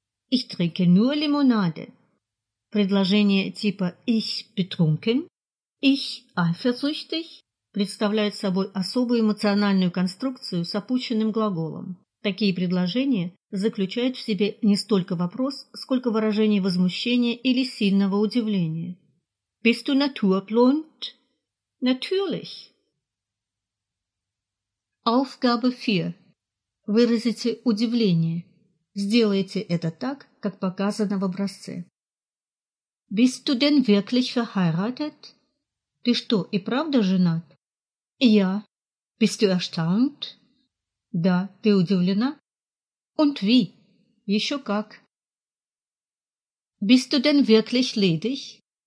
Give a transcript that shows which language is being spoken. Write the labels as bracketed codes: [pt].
[de] Ich trinke nur Limonade. [ru] Предложение типа [de] «ich betrunken», «ich eifersüchtig» [ru] представляет собой особую эмоциональную конструкцию с опущенным глаголом. Такие предложения заключают в себе не столько вопрос, сколько выражение возмущения или сильного удивления. [de] Bist du naturblond? Natürlich. Aufgabe 4. [ru] Выразите удивление. Сделайте это так, как показано в образце. [de] Bist du denn wirklich verheiratet? [ru] Ты что, и правда женат? [de] Ja. Bist du erstaunt? [ru] Да, ты удивлена? [de] Und wie? [ru] Еще как. [de] Bist du denn wirklich ledig?